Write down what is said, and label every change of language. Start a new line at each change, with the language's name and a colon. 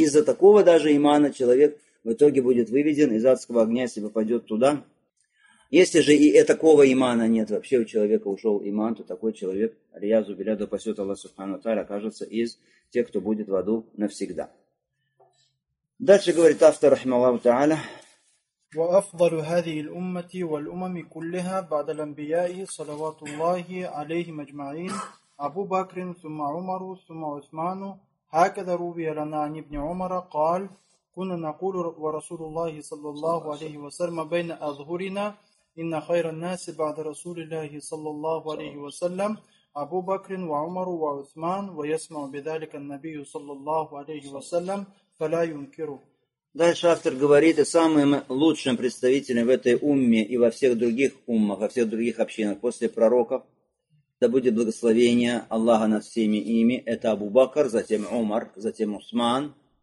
Russian: Из-за такого даже имана человек в итоге будет выведен из адского огня, если попадет туда. Если же и такого имана нет, вообще у человека ушел иман, то такой человек, риязу биляду пасет Аллах Субхану Тааля, окажется из тех, кто будет в аду навсегда. Дальше говорит автор,
Arabic: рахмаллаху тааля, وأفضل هذه الأمة والأمم كلها بعد الأنبياء صلوات الله عليهم أجمعين أبو بكر ثم عمر ثم عثمان هكذا روي لنا عن ابن عمر قال كنا نقول ورسول الله صلى الله عليه وسلم بين أظهرنا إن خير الناس بعد رسول الله صلى الله عليه وسلم أبو بكر وعمر وعثمان ويسمع بذلك النبي صلى الله عليه وسلم فلا ينكره.
Russian: Дальше автор говорит, и самым лучшим представителем в этой умме и во всех других уммах, во всех других общинах после пророков, да будет благословение Аллаха над всеми ими, это Абу Бакр, затем Умар, затем Усман.